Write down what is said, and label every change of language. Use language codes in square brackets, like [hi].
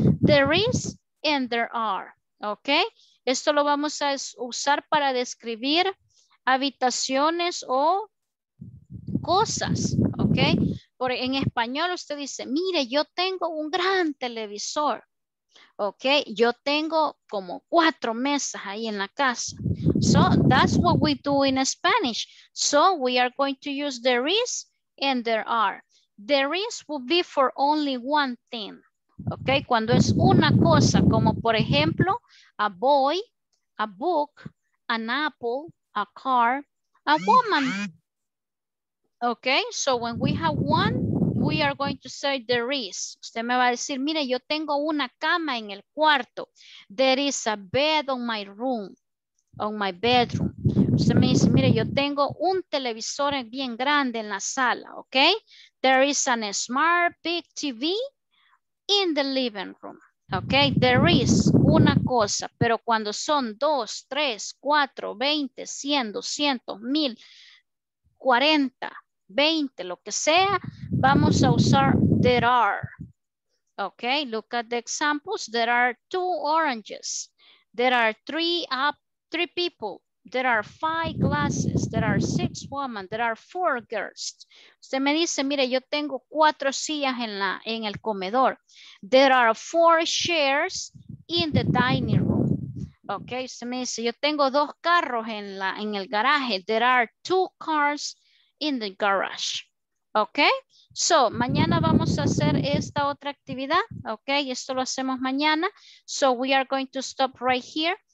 [en] There is and there are, ok? [es] Esto lo vamos a usar para describir habitaciones o cosas, ok? Por, en español usted dice, mire, yo tengo un gran televisor. Ok, yo tengo como cuatro mesas ahí en la casa. [en] So that's what we do in Spanish. So we are going to use there is and there are. There is will be for only one thing. [es] Okay, cuando es una cosa, como por ejemplo, [en] a boy, a book, an apple, a car, a woman. Okay, so when we have one, we are going to say there is. [es] Usted me va a decir, mire, yo tengo una cama en el cuarto. [en] There is a bed on my room, on my bedroom. [es] Usted me dice, mire, yo tengo un televisor bien grande en la sala, okay? [en] There is a smart big TV in the living room. [es] Okay, there is una cosa, pero cuando son dos, tres, cuatro, 20, 100, 200, 1000, 40, 20, lo que sea, vamos a usar there are. [en] Okay, look at the examples. There are two oranges. There are three people. There are five glasses. There are six women. There are four girls. [es] Usted me dice, mire, yo tengo cuatro sillas en el comedor. [en] There are four chairs in the dining room. [es] Okay, usted me dice, yo tengo dos carros en el garaje. [en] There are two cars in the garage. Okay, so [es] mañana vamos a hacer esta otra actividad. [en] Okay, [es] esto lo hacemos mañana. [en] So we are going to stop right here.